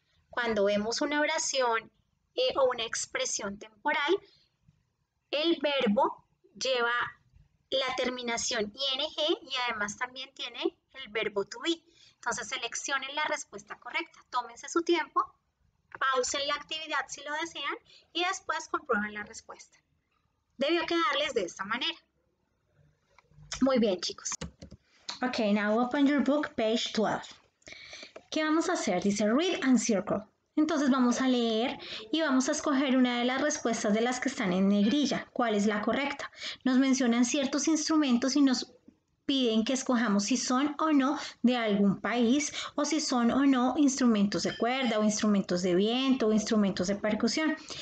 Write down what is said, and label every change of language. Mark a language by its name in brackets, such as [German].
[Spanish] Cuando vemos una oración o una expresión temporal, el verbo lleva la terminación ing y además también tiene el verbo to be. Entonces seleccionen la respuesta correcta, tómense su tiempo, pausen la actividad si lo desean y después comprueben la respuesta. Debió quedarles de esta manera. Muy bien, chicos. [English] Ok, now open your book, page 12. [Spanish] ¿Qué vamos a hacer? Dice [English] read and circle. [Spanish] Entonces vamos a leer y vamos a escoger una de las respuestas de las que están en negrilla. ¿Cuál es la correcta? Nos mencionan ciertos instrumentos y nos piden que escojamos si son o no de algún país o si son o no instrumentos de cuerda o instrumentos de viento o instrumentos de percusión.